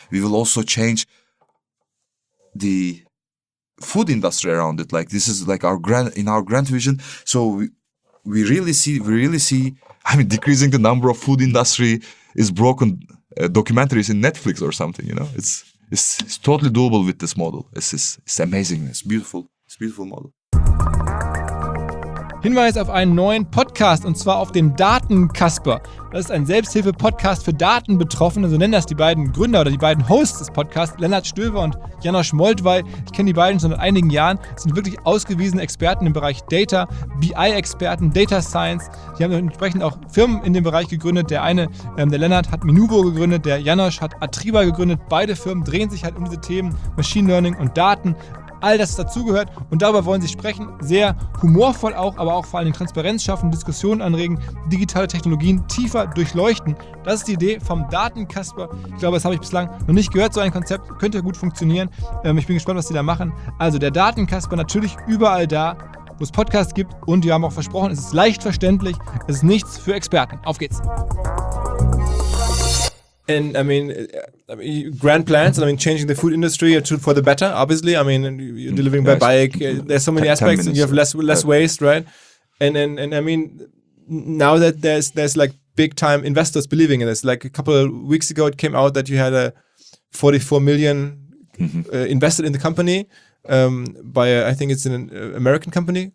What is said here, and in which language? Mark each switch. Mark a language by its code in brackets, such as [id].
[en] We will also change the food industry around it. Like, this is like our grand vision. So we really see, I mean, decreasing the number of food industry is broken documentaries in Netflix or something, you know. It's totally doable with this model. It's amazing. It's a beautiful model. [de] Hinweis auf einen neuen Podcast, und zwar auf den Datenkasper. Das ist ein Selbsthilfe-Podcast für Datenbetroffene, so nennen das die beiden Gründer oder die beiden Hosts des Podcasts, Lennart Stöver und Janosch Moltwey. Ich kenne die beiden schon seit einigen Jahren, sind wirklich ausgewiesene Experten im Bereich Data, BI-Experten, Data Science. Die haben entsprechend auch Firmen in dem Bereich gegründet. Der eine, der Lennart, hat Minubo gegründet, der Janosch hat Atriba gegründet. Beide Firmen drehen sich halt um diese Themen Machine Learning und Daten. All das dazugehört, und darüber wollen sie sprechen, sehr humorvoll auch, aber auch vor allem Transparenz schaffen, Diskussionen anregen, digitale Technologien tiefer durchleuchten. Das ist die Idee vom Datenkasper. Ich glaube, das habe ich bislang noch nicht gehört, so ein Konzept, könnte gut funktionieren. Ich bin gespannt, was sie da machen. Also der Datenkasper, natürlich überall da, wo es Podcasts gibt, und wir haben auch versprochen, es ist leicht verständlich, es ist nichts für Experten. Auf geht's! [en] And I mean, grand plans, and I mean, changing the food industry for the better, obviously. I mean, you're delivering by bike. There's so many aspects, and you have less waste, right? And I mean, now that there's like big time investors believing in this, like a couple of weeks ago, it came out that you had a 44 million invested in the company by American company.